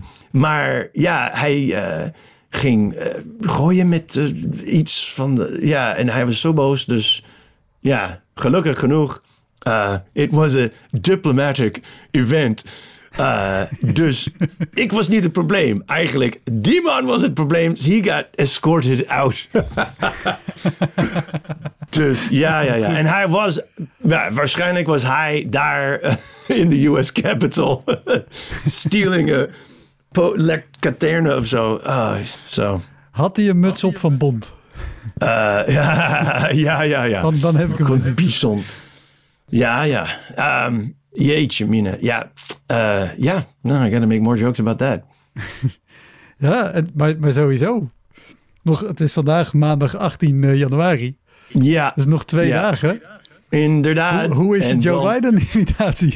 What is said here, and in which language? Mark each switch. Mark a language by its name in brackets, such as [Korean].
[Dutch] Maar ja, hij ging gooien met iets van... en hij was zo boos. Dus ja, gelukkig genoeg. [English] It was a diplomatic event. [Dutch] Dus ik was niet het probleem. Eigenlijk, die man was het probleem. [English] He got escorted out. [Dutch] Dus ja. En hij was... waarschijnlijk was hij daar in de US Capitol. [English] Stealing a caterne [Dutch] of zo. Had hij een muts op van Bond? Ja. Dan heb ik hem gezien. Bison. Ja. Jeetje, Mina. Ja. [English] I gotta make more jokes about that. [Dutch] Ja, maar sowieso. Nog, het is vandaag maandag 18 januari. Ja. Dus nog twee dagen. Inderdaad. Hoe is je Joe Biden imitatie?